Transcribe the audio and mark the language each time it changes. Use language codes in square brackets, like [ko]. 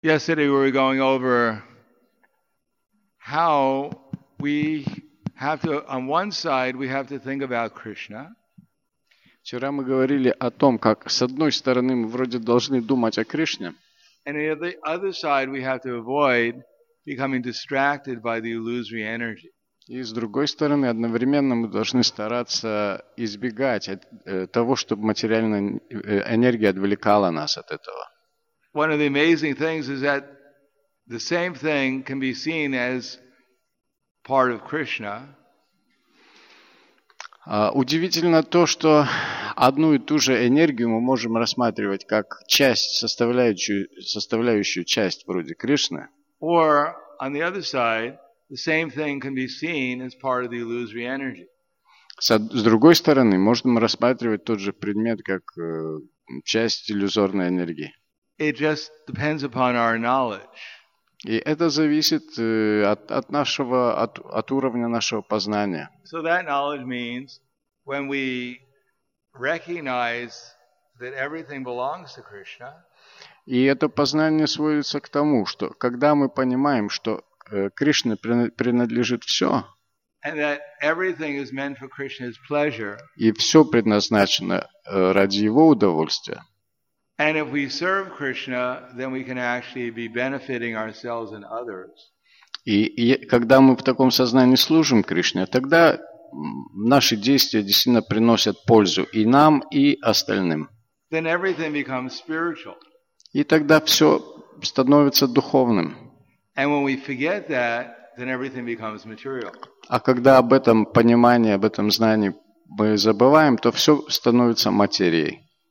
[en] Yesterday, we were going over how we have to, on one side, we have to think about Krishna. [ru] Вчера мы говорили о том, как с одной стороны мы вроде должны думать о Кришне. [en] And on the other side, we have to avoid becoming distracted by the illusory energy. [ru] И с другой стороны, одновременно мы должны стараться избегать того, чтобы материальная энергия отвлекала нас от этого. [en] One of the amazing things is that the same thing can be seen as part of Krishna. [ru] Удивительно то, что одну и ту же энергию мы можем рассматривать как часть, составляющую часть вроде Кришны. [en] Or on the other side, the same thing can be seen as part of the illusory energy. [ru] С другой стороны, можно рассматривать тот же предмет как часть иллюзорной энергии. [en] It just depends upon our knowledge. [ru] И это зависит от уровня нашего познания. [en] So that knowledge means when we recognize that everything belongs to Krishna. [ru] И это познание сводится к тому, что когда мы понимаем, что Кришне принадлежит все, [en] And that everything is meant for Krishna's pleasure. [ru] и все предназначено ради его удовольствия, [en] And if we serve Krishna, then we can actually be benefiting ourselves and others. [ru] и когда мы в таком сознании служим Кришне, тогда наши действия действительно приносят пользу и нам, и остальным. [en] Then everything becomes spiritual. [ru] И тогда все становится духовным. [en] And when we forget that, then everything becomes material. [ru] А когда об этом понимании, об этом знании мы забываем, то все становится материей.